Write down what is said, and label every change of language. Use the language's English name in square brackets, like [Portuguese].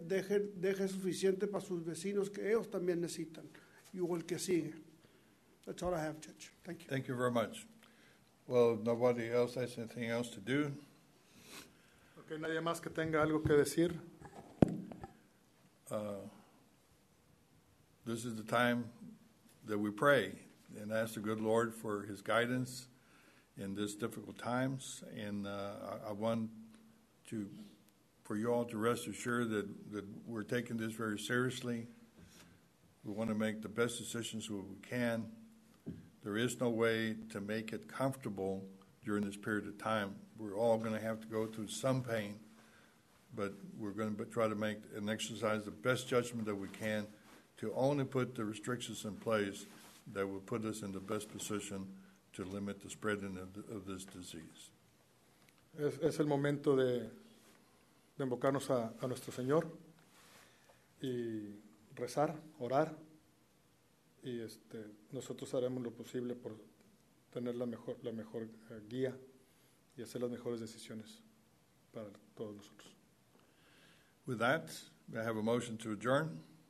[Spanish] Deje suficiente para sus vecinos que ellos también necesitan. [English] You will [Spanish] que sigue. [English] That's all I have, Judge. Thank you. Thank you very much. Well, nobody else has anything else to do. [Spanish] Okay, nadie más que tenga algo que decir. [English] This is the time that we pray and ask the good Lord for his guidance in this difficult times. And I want to for you all to rest assured that, that we're taking this very seriously. We want to make the best decisions we can. There is no way to make it comfortable during this period of time. We're all going to have to go through some pain, but we're going to try to make and exercise the best judgment that we can to only put the restrictions in place that will put us in the best position to limit the spreading of this disease. [Spanish] Es el momento de invocarnos a nuestro Señor y rezar, orar, y este, nosotros haremos lo posible por tener la mejor guía y hacer las mejores decisiones para todos nosotros. [English] With that, we have a motion to adjourn.